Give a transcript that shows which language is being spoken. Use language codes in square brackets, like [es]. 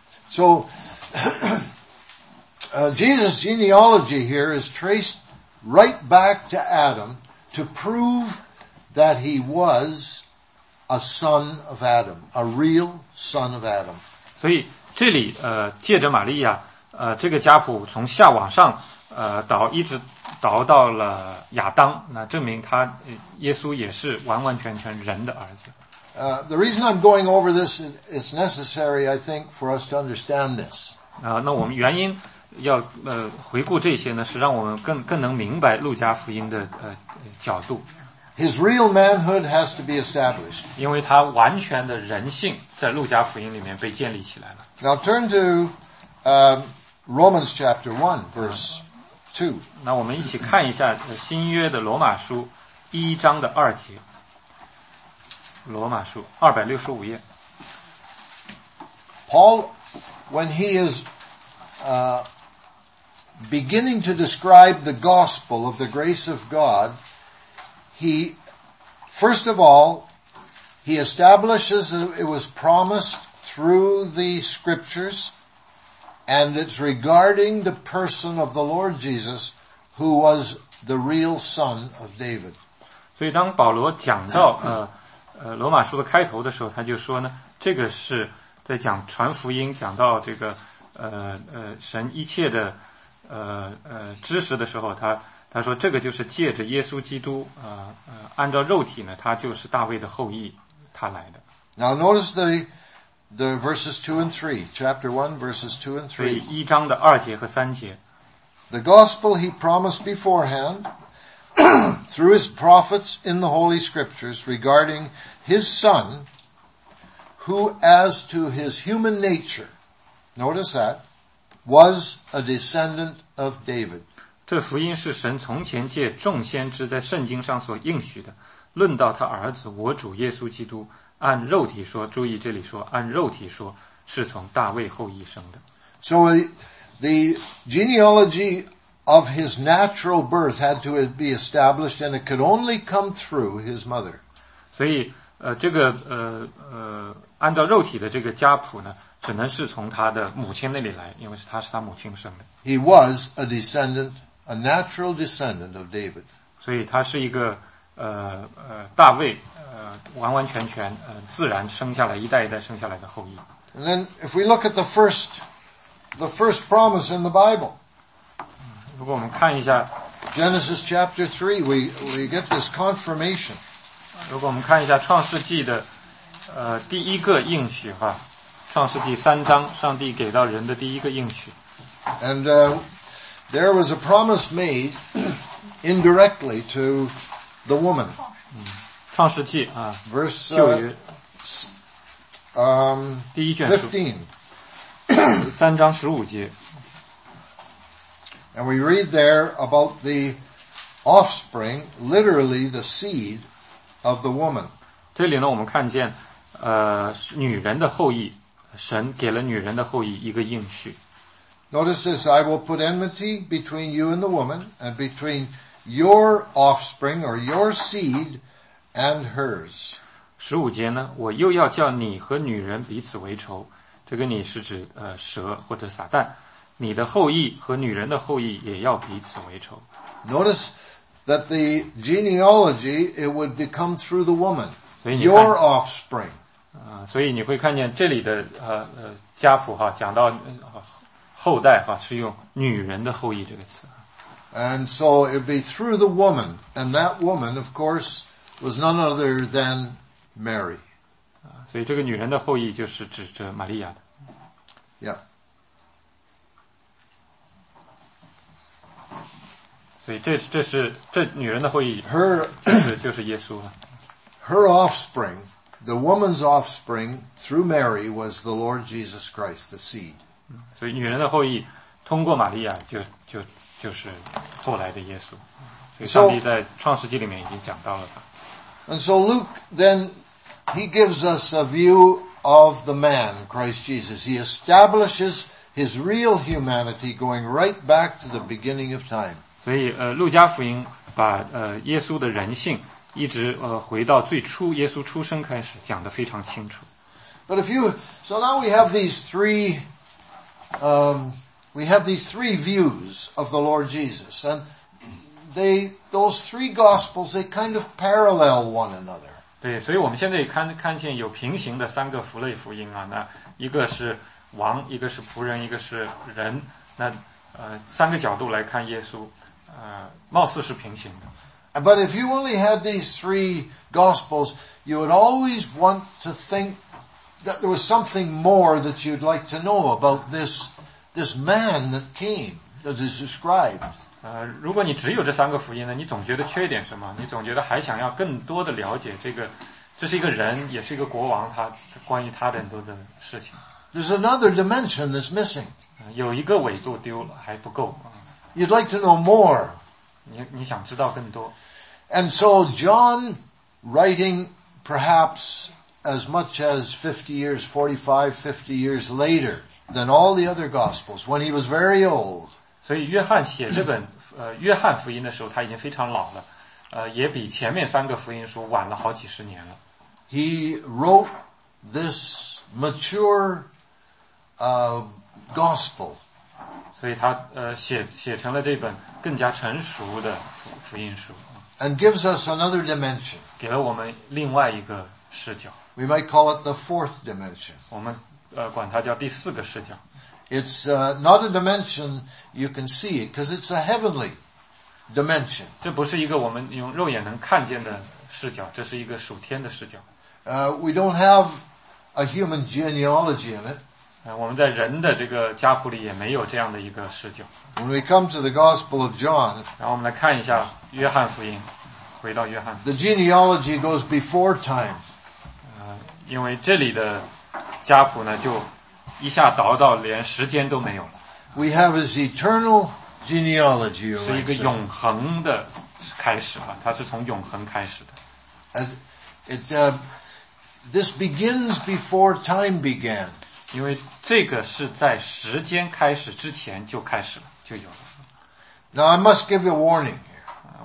[en] So, Jesus' genealogy here is traced right back to Adam to prove that he was a son of Adam, a real son of Adam. [zh] 所以这里借着玛利亚这个家谱从下往上一直倒到了亚当，那证明他耶稣也是完完全全人的儿子。 [en] The reason I'm going over this is it's necessary, I think, for us to understand this. [zh] 那我们原因要回顾这些呢，是让我们更能明白路加福音的角度。 [en] His real manhood has to be established. [zh] 因为他完全的人性在路加福音里面被建立起来了。 [en] Now turn to Romans chapter 1, verse 2. [zh] 那我们一起看一下新约的罗马书一章的二节。罗马书265页。 [en] Paul, when he is, beginning to describe the gospel of the grace of God, he, first of all, he establishes that it was promised through the scriptures, and it's regarding the person of the Lord Jesus, who was the real son of David. [zh] 所以当保罗讲到罗马书的开头的时候，他就说呢，这个是在讲传福音，讲到这个神一切的知识的时候，他说这个就是借着耶稣基督按照肉体呢，他就是大卫的后裔，他来的。 [en] Now notice the verses 2 and 3, chapter 1, verses 2 and 3. [zh] 所以一章的二节和三节。 [en] The gospel he promised beforehand through his prophets in the Holy Scriptures regarding his son, who as to his human nature, notice that, was a descendant of David. [zh] 这福音是神从前借众先知在圣经上所应许的，论到他儿子我主耶稣基督，按肉体说，注意这里说，按肉体说，是从大卫后裔生的。 [en] So the genealogy of his natural birth had to be established, and it could only come through his mother. [zh] 所以这个按照肉体的这个家谱呢，只能是从他的母亲那里来，因为是他是他母亲生的。 [en] He was a descendant, a natural descendant of David. [zh] 所以他是一个大卫完完全全自然生下来，一代一代生下来的后裔。 [en] And then if we look at the first promise in the Bible. [zh] 如果我们看一下 [en] Genesis chapter 3, we get this confirmation. [zh] 如果我们看一下创世纪的第一个应许哈，创世纪三章上帝给到人的第一个应许。 [en] And there was a promise made indirectly to the woman. [zh] 创世纪啊 [en] ,verse [zh] 第一卷书 [en] 15. [zh] 三章十五节。 [en] And we read there about the offspring, literally the seed of the woman. [zh] 这里呢我们看见女人的后裔，神给了女人的后裔一个应许。 [en] Notice this, I will put enmity between you and the woman, and between your offspring or your seed and hers. [zh] 十五节呢，我又要叫你和女人彼此为仇。这个你是指蛇或者撒旦，你的后裔和女人的后裔也要彼此为仇。 [en] Notice that the genealogy it would become through the woman, your offspring. [zh] 所以你会看见这里的家谱哈，讲到后代哈，是用女人的后裔这个词。 [en] And so it'd be through the woman, and that woman, of course, was none other than Mary. [zh] 所以这个女人的后裔就是指着玛利亚的。 [en] Yeah. [zh] 所以这是这女人的后裔 [en] ，her [zh] 就是耶稣了。 [en] Her offspring, the woman's offspring through Mary was the Lord Jesus Christ, the seed. [zh] 所以女人的后裔通过玛利亚就是后来的耶稣。所以上帝在创世纪里面已经讲到了他。 [en] And so Luke then he gives us a view of the man Christ Jesus. He establishes his real humanity going right back to the beginning of time. [zh] 所以路加福音把耶稣的人性一直回到最初耶稣出生开始讲得非常清楚。 [en] But if you, so now we have these three, we have these three views of the Lord Jesus. And those three gospels, they kind of parallel one another. [zh] 对，所以我们现在看见有平行的三个弗类福音啊，那一个是王，一个是仆人，一个是人，那三个角度来看耶稣，貌似是平行的。 [en] But if you only had these three gospels, you would always want to think that there was something more that you'd like to know about this man that came, that is described. [zh] 如果你只有这三个福音呢，你总觉得缺点什么，你总觉得还想要更多的了解这是一个人，也是一个国王，他关于他的很多的事情。 [en] There's another dimension that's missing. [zh] 有一个维度丢了，还不够。 [en] You'd like to know more. [zh] 你想知道更多。 [en] And so John, writing perhaps as much as 50 years, 45, 50 years later than all the other Gospels, when he was very old. [zh] 所以约翰写这本约翰福音的时候他已经非常老了也比前面三个福音书晚了好几十年了。 [en] He wrote this mature, Gospel. [zh] 所以他写成了这本更加成熟的福音书。 [en] And gives us another dimension. [zh] 给了我们另外一个视角。 [en] We might call it the fourth dimension. [zh] 我们管它叫第四个视角。 [en] It's not a dimension you can see because it's a heavenly dimension. [zh] 这不是一个我们用肉眼能看见的视角，这是一个属天的视角。 [en] We don't have a human genealogy in it. [zh] 我们在人的这个家谱里也没有这样的一个视角。 [en] When we come to the Gospel of John, [zh] 然后我们来看一下约翰福音，回到约翰。 [en] The genealogy goes before time. [zh] 因为这里的家谱呢就。一下倒到连时间都没有了。 [en] We have his eternal genealogy, [zh] 是一个永恒的开始吧，它是从永恒开始的。 [en] This begins before time began. [zh] 因为这个是在时间开始之前就开始了，就有了。 [en] Now I must give you a warning here.